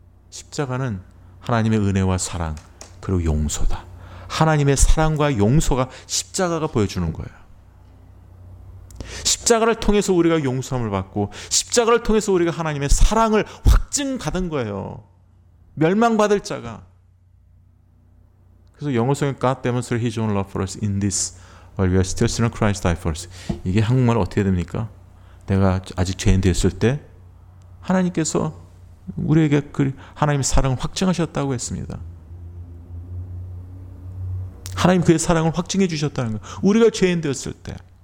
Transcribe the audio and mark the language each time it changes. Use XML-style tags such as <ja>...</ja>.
<ko>십자가는 하나님의 은혜와 사랑 그리고 용서다. 하나님의 사랑과 용서가 십자가가 보여주는 거예요. 십자가를 통해서 우리가 용서함을 받고, 십자가를 통해서 우리가 하나님의 사랑을 확증받은 거예요. 멸망받을 자가. 그래서 영어 성에</ko> <en>God demonstrated his own love for us in this while we are still sinners, Christ died for us.</en> <ko>이게 한국말 어떻게 됩니까? 내가 아직 죄인 되었을 때 하나님께서 우리에게 그 하나님의 사랑을 확증하셨다고 했습니다. 하나님 그의 사랑을 확증해 주셨다는 거예요. 우리가 죄인 되었을 때.</ko>